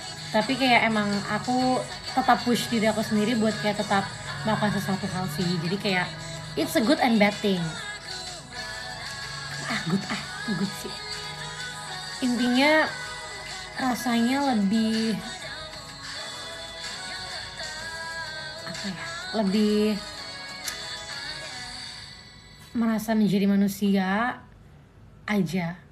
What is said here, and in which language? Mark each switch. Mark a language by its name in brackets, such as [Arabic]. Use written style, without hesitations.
[Indonesian] Tapi kayak emang aku tetap push diri aku sendiri buat kayak tetap melakukan sesuatu hal sih. Jadi kayak [English] it's a good and bad thing. [Indonesian] Good sih. Intinya rasanya lebih apa ya? Lebih merasa menjadi manusia aja.